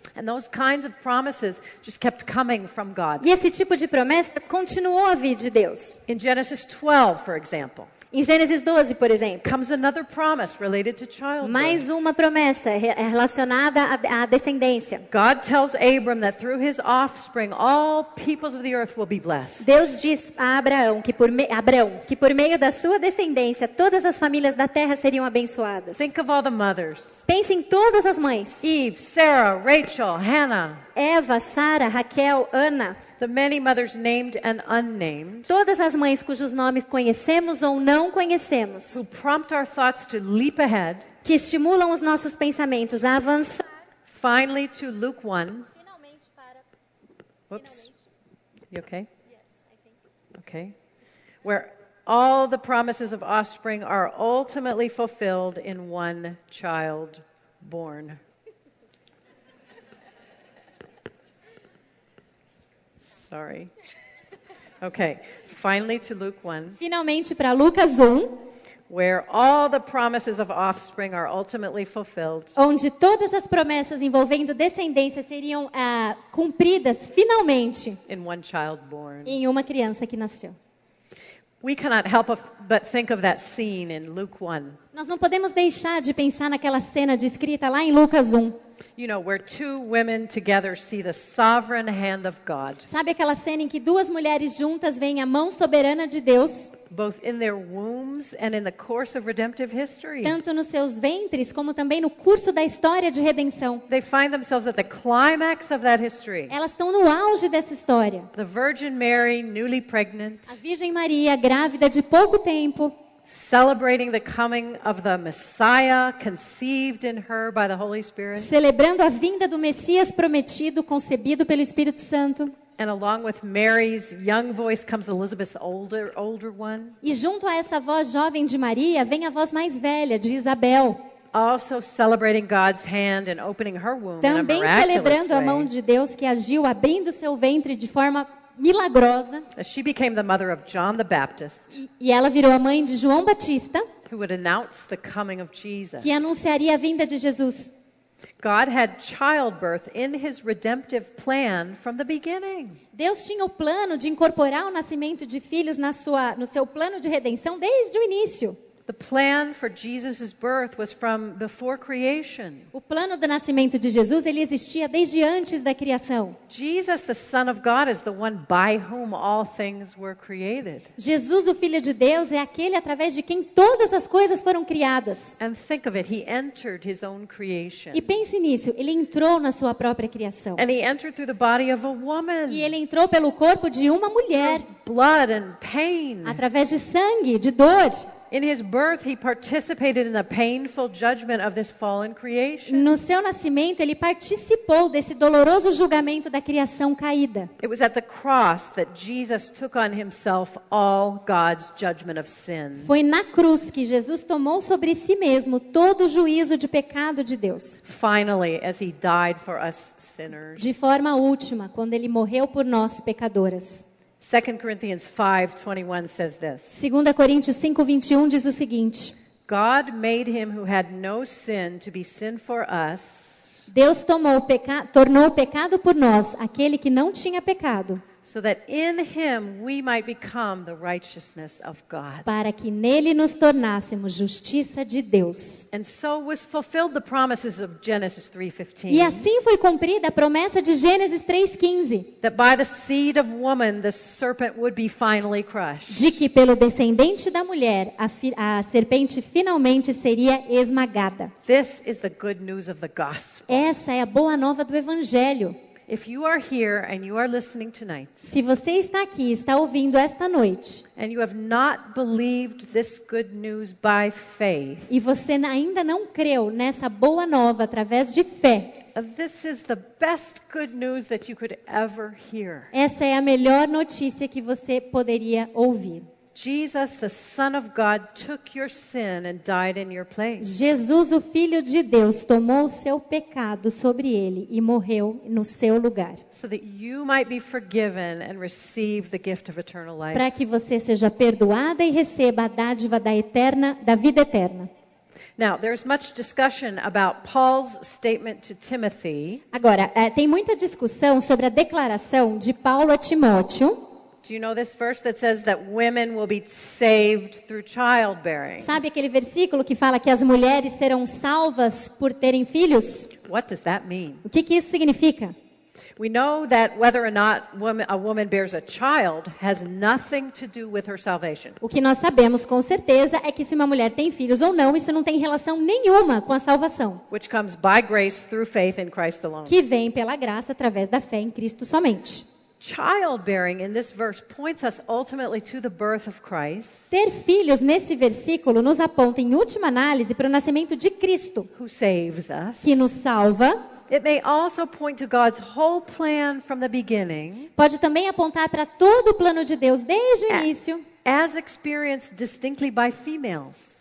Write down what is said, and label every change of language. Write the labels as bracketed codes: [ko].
[en] And those kinds of promises just kept coming from God. [pt] E esse tipo de promessa continuou a vir de Deus. [en] In Genesis 12, for example. [pt] Em Gênesis 12, por exemplo, [en] comes another promise related to childbirth. [pt] Mais uma promessa relacionada à descendência. [en] God tells Abram that through his offspring all peoples of the earth will be blessed. [pt] Deus diz a Abraão que por meio da sua descendência todas as famílias da terra seriam abençoadas. [en] Think of all the mothers. [pt] Pense em todas as mães. [en] Eve, Sarah, Rachel, Hannah. [pt] Eva, Sara, Raquel, Ana. [en] The many mothers named and unnamed. [pt] Todas as mães cujos nomes conhecemos ou não conhecemos. [en] Who prompt our thoughts to leap ahead. [pt] Que estimulam os nossos pensamentos a avançar. [en] Finally to Luke 1. [pt] Finalmente para. [en] Oops. You okay? Yes, I think. Okay. Where all the promises of offspring are ultimately fulfilled in one child born. Sorry. Okay. Finally to Luke 1. [pt] Finalmente para Lucas 1. [en] Where all the promises of offspring are ultimately fulfilled. [pt] Onde todas as promessas envolvendo descendência seriam cumpridas finalmente. [en] In one child born. [pt] Em uma criança que nasceu. [en] We cannot help but think of that scene in Luke 1. [pt] Nós não podemos deixar de pensar naquela cena descrita lá em Lucas 1. [en] You know, where two women together see the sovereign hand of God. [pt] Sabe aquela cena em que duas mulheres juntas veem a mão soberana de Deus? [en] Both in their wombs and in the course of redemptive history. [pt] Tanto nos seus ventres como também no curso da história de redenção. [en] They find themselves at the climax of that history. [pt] Elas estão no auge dessa história. [en] The Virgin Mary, newly pregnant. [pt] A Virgem Maria, grávida de pouco tempo. [en] Celebrating the coming of the Messiah conceived in her by the Holy Spirit. [pt] Celebrando a vinda do Messias prometido, concebido pelo Espírito Santo. [en] And along with Mary's young voice comes Elizabeth's older one. [pt] E junto a essa voz jovem de Maria vem a voz mais velha de Isabel. [en] Also celebrating God's hand and opening her womb. [pt] Também [en] in a [pt] celebrando [en] way. [pt] A mão de Deus que agiu abrindo seu ventre de forma milagrosa. [en] She became the mother of John the Baptist. [pt] E ela virou a mãe de João Batista. [en] Who would announce the coming of Jesus. [pt] Que anunciaria a vinda de Jesus. [en] God had childbirth in his redemptive plan from the beginning. [pt] Deus tinha o plano de incorporar o nascimento de filhos no seu plano de redenção desde o início. [en] The plan for Jesus's birth was from before creation. [pt] O plano do nascimento de Jesus, ele existia desde antes da criação. [en] Jesus, the Son of God, is the one by whom all things were created. [pt] Jesus, o Filho de Deus, é aquele através de quem todas as coisas foram criadas. [en] And think of it, he entered his own creation. [pt] E pense nisso, ele entrou na sua própria criação. [en] And he entered through the body of a woman. [pt] E ele entrou pelo corpo de uma mulher. [en] Through blood and pain. [pt] Através de sangue, de dor. [en] In his birth, he participated in the painful judgment of this fallen creation. [pt] No seu nascimento, ele participou desse doloroso julgamento da criação caída. [en] It was at the cross that Jesus took on himself all God's judgment of sin. [pt] Foi na cruz que Jesus tomou sobre si mesmo todo o juízo de pecado de Deus. [en] Finally, as he died for us sinners. [pt] De forma última, quando ele morreu por nós pecadoras. [en] 2 Corinthians 5:21 says this. [pt] 2 Coríntios 5:21 diz o seguinte. [en] God made him who had no sin to be sin for us. [pt] Deus tornou pecado por nós aquele que não tinha pecado. [en] So that in him we might become the righteousness of God. [pt] Para que nele nos tornássemos justiça de Deus. [en] And so was fulfilled the promises of Genesis 3:15. [pt] E assim foi cumprida a promessa de Gênesis 3:15. [en] That by the seed of woman the serpent would be finally crushed. [pt] De que pelo descendente da mulher a serpente finalmente seria esmagada. [en] This is the good news of the gospel. [pt] Essa é a boa nova do evangelho. [en] If you are here and you are listening tonight, [pt] se você está aqui e está ouvindo esta noite, [en] and you have not believed this good news by faith, [pt] e você ainda não creu nessa boa nova através de fé, [en] this is the best good news that you could ever hear. [pt] Essa é a melhor notícia que você poderia ouvir. [en] Jesus, the Son of God, took your sin and died in your place. [pt] Jesus, o Filho de Deus, tomou o seu pecado sobre ele e morreu no seu lugar. [en] So that you might be forgiven and receive the gift of eternal life. [pt] Para que você seja perdoada e receba a dádiva da vida eterna. [en] Now, there's much discussion about Paul's statement to Timothy. [pt] Agora, tem muita discussão sobre a declaração de Paulo a Timóteo. [en] Do you know this verse that says that women will be saved through childbearing? [pt] Sabe aquele versículo que fala que as mulheres serão salvas por terem filhos? [en] What does that mean? [pt] O que isso significa? [en] We know that whether or not a woman bears a child has nothing to do with her salvation. [pt] O que nós sabemos com certeza é que se uma mulher tem filhos ou não, isso não tem relação nenhuma com a salvação. [en] Which comes by grace through faith in Christ alone. [pt] Que vem pela graça através da fé em Cristo somente. [en] Childbearing in this verse points us ultimately to the birth of Christ. [pt] Ter filhos nesse versículo nos aponta em última análise para o nascimento de Cristo, [en] who saves us. [pt] Que nos salva. [en] It may also point to God's whole plan from the beginning. [pt] Pode também apontar para todo o plano de Deus desde o início. [en] As experienced distinctly by females.